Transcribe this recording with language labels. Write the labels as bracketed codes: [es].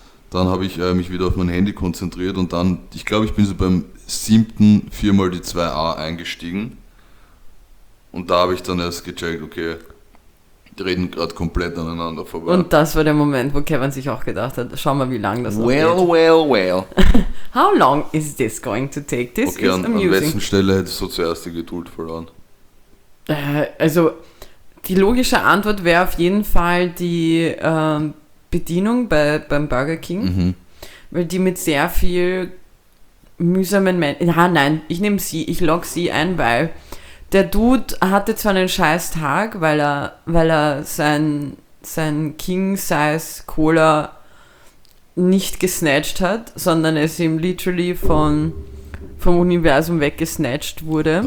[de] Dann habe ich mich wieder auf mein Handy konzentriert und dann, ich glaube, ich bin so beim siebten viermal die 2a eingestiegen. Und da habe ich dann erst gecheckt, okay, die reden gerade komplett aneinander vorbei. Und das war der Moment, wo Kevin sich auch gedacht hat, schau mal, wie lang das noch geht. Well. [en] How long is this going to take? This okay, is amusing. [de] Okay, an wessen Stelle hättest du zuerst die Geduld verloren? Also, die logische Antwort wäre auf jeden Fall die Bedienung beim Burger King. Mhm. Weil die mit sehr viel mühsamen Menschen... Ah, nein, ich nehme sie, ich logge sie ein, weil... Der Dude hatte zwar einen scheiß Tag, weil er sein King-Size Cola nicht gesnatcht hat, sondern es ihm literally vom Universum weggesnatcht wurde.